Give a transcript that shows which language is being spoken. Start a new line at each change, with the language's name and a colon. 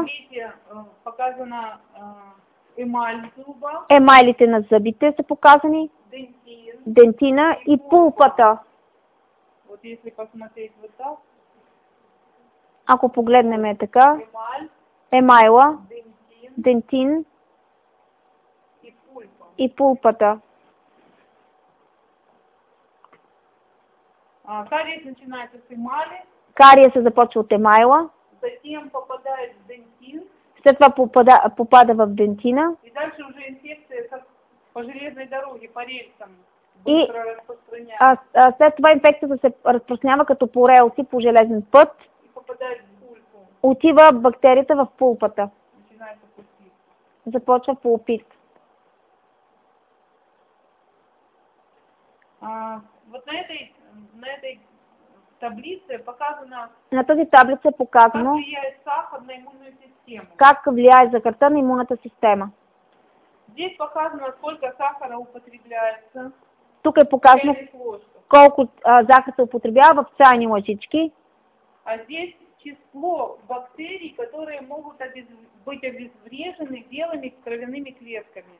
Russian: Видите, показана емаль зуба.
Bulgarian: Емалите на зъбите са показани.
Russian: Дентин.
Bulgarian: Дентина и пулпата.
Russian: Вот если посмотреть вот так.
Bulgarian: Ако погледнем е така. Емайла. Дентин. И пулпа. И пулпата.
Russian: Кариес начинается с емали.
Bulgarian: Кария се започва от емайла.
Russian: Затем попадает в дентин.
Bulgarian: След това попада в дентина.
Russian: И дальше уже инфекция как по железной дороге, по рельсам. Быстро и распространяется.
Bulgarian: След това инфекцията се разпространява като по релси, по железен път.
Russian: И попадает в пулпу.
Bulgarian: Отива бактерията в пулпата.
Russian: Начинается пулпит.
Bulgarian: Започва пулпит.
Russian: Вот на этой таблице показано,
Bulgarian: на тази таблица е показано
Russian: как влияет сахар на имунную систему.
Bulgarian: Как влияет захарта на имунната система.
Russian: Здесь показано, сколько сахара употребляется.
Bulgarian: Тук е показано, колко захар се употребява в чайни лъжички.
Russian: А здесь число бактерий, которые могут быть обезврежены белыми кровяными клетками.